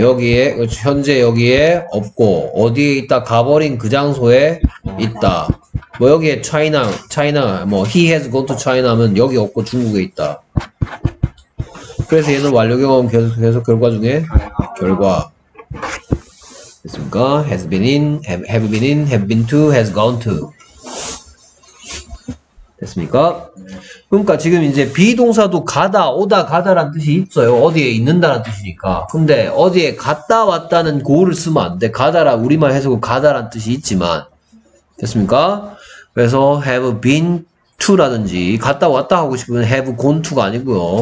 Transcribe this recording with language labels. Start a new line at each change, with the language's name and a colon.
Korean: 여기에 현재 여기에 없고 어디에 있다 가버린 그 장소에 있다. 뭐 여기에 차이나 뭐
English: he has gone to China
Korean: 하면 여기 없고 중국에 있다. 그래서 얘는 완료경험 계속 결과 중에 결과 됐습니까?
English: Has been in, have been in, have been to, has gone to 됐습니까?
Korean: 그러니까 지금 이제 비동사도 가다 오다 가다란 뜻이 있어요. 어디에 있는다란 뜻이니까. 근데 어디에 갔다 왔다는 고를 쓰면 안 돼. 가다라 우리말 해석은 가다란 뜻이 있지만 됐습니까? 그래서 have been to 라든지 갔다 왔다 하고 싶으면 have gone to가 아니고요.